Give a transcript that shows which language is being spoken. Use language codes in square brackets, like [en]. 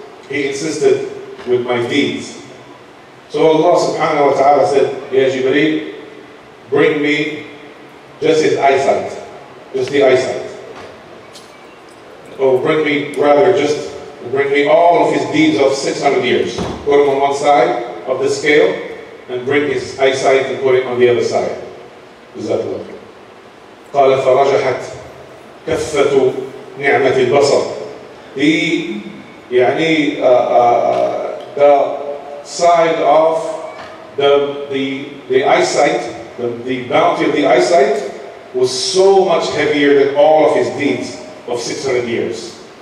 [en] He insisted with my deeds. So Allah subhanahu wa ta'ala said, Ya Jibreel, bring me just his eyesight, just the eyesight. Oh, bring me all of his deeds of 600 years. Put him on one side of the scale and bring his eyesight and put it on the other side. Jazakallah. [ar] قال فرجحت كفة نعمة البصر. [en] The يعني the side of the eyesight, the bounty of the eyesight was so much heavier than all of his deeds of 600 years.